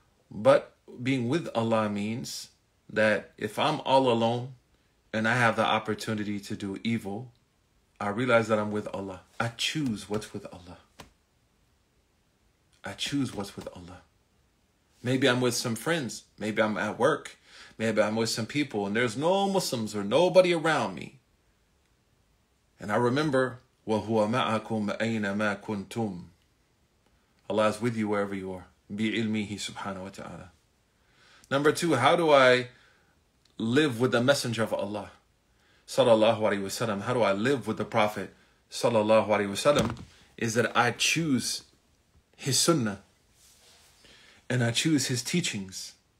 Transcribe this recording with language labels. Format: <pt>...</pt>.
<en>But being with Allah means that if I'm all alone and I have the opportunity to do evil, I realize that I'm with Allah. I choose what's with Allah. I choose what's with Allah. Maybe I'm with some friends. Maybe I'm at work. Maybe I'm with some people and there's no Muslims or nobody around me. And I remember,</en> <ar>وَهُوَ مَعَكُمْ أَيْنَ مَا كُنْتُمْ.</ar> <en>Allah is with you wherever you are.</en> <ar>بِعِلْمِهِ سُبْحَانَهُ وَتَعَالَى.</ar> <en>Number two, how do I live with the messenger of Allah? Sallallahu alayhi wa sallam. How do I live with the Prophet? Sallallahu alayhi wa sallam. Is that I choose his sunnah. And I choose his teachings.</en>